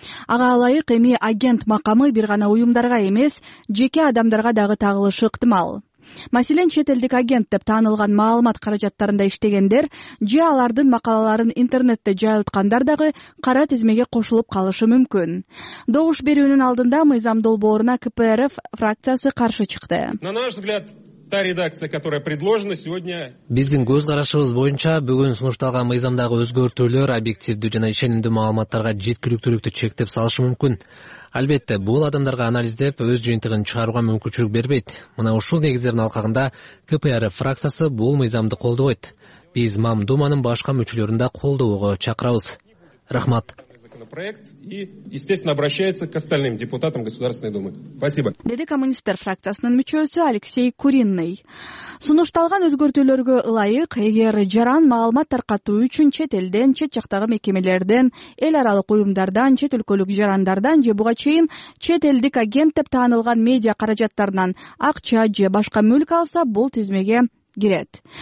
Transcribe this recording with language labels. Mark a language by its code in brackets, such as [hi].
[ky] Ага ылайык эми агент макамы бир гана уюмдарга эмес, жеке адамдарга дагы тагылышы ыктымал. Маселен, чет элдик агент деп таанылган маалымат каражаттарында иштегендер же алардын макалаларын интернетте жайылткандар дагы кара тизмеге кошулуп калышы мүмкүн. Добуш берүүнүн алдында мыйзам долбооруна КПРФ фракциясы каршы чыкты. [ru] На наш взгляд, та редакция, которая предложена сегодня. [ky] Биздин көз карашыбыз боюнча бүгүн сунушталган мыйзамдагы өзгөртүүлөр объективдүү жана ишенимдүү маалыматтарга жеткиликтүүлүктү чектеп салышы мүмкүн. Албетте, бул адамдарга анализдеп өз жыйынтыгын чыгарууга мүмкүнчүлүк бербейт. Мына ушул негиздердин алкагында КПР фракциясы бул мыйзамды колдобойт. Биз Мамдуманын башка мүчөлөрүн да колдоого чакырабыз. Рахмат. [ru] Проект и, естественно, обращается к остальным депутатам Государственной Думы. Спасибо. [ky] Деди коммунистер фракциясынын мүчөсү Алексей Куринный. Сунушталган өзгөртүүлөргө ылайык, эгер жаран маалымат таркатуу үчүн чет элден, чет жактагы мекемелерден, эл аралык уюмдардан, чет өлкөлүк жарандардан же буга чейин чет элдик агент деп таанылган медиа каражаттарынан акча же башка мүлк алса, бул тизмеге кирет.